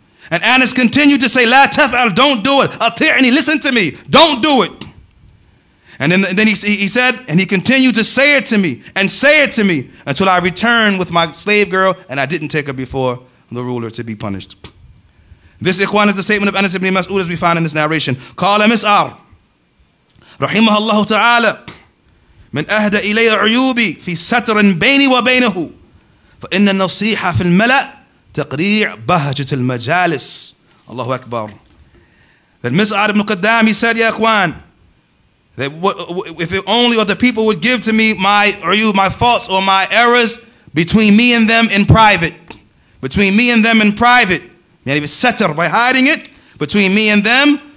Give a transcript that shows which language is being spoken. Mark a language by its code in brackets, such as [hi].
[en] And Anas continued to say, [ar] لَا تَفْعَلْ, [en] don't do it, [ar] أَطِعْنِي, [en] listen to me, don't do it. And then he said, and he continued to say it to me, and say it to me, until I returned with my slave girl, and I didn't take her before the ruler to be punished. This Ikhwan is the statement of Anas ibn Mas'ud as we find in this narration. [ar] Qala Mis'ar, رحمه الله تعالى, من أهدى إلي عيوبي في ستر بيني وبينه, فإن النصيحة في الملأ تقريع بهجة المجالس. الله أكبر. [en] Then Mis'ar ibn Qaddam, he said, Ya Ikhwan, that if only what the people would give to me my عيوب, my faults or my errors between me and them in private. Between me and them in private. And he was satr by hiding it between me and them.